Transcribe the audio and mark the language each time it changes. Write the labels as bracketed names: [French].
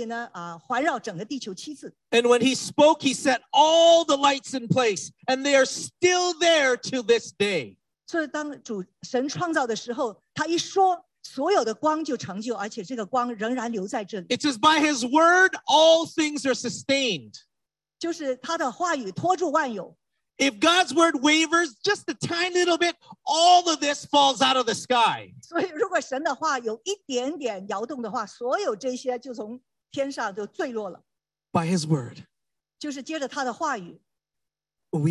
[Chinese] 就是说呢你是每一秒钟30万公里的速度的话你是呢在一秒钟可以呢环绕整个地球7次。 [English] And when he spoke, he set all the lights in place and they are still there to this day. [Chinese] 所以当主神创造的时候，他一说，所有的光就成就，而且这个光仍然留在这里。 [English] It is by his word all things are sustained. [Chinese] 就是他的话语托住万有。 [English] If God's word wavers just a tiny little bit, all of this falls out of the sky. [Chinese] 所以如果神的话有一点点摇动的话，所有这些就从天上就坠落了。 [English] By his word. [Chinese] 就是接着他的话语。 [English] We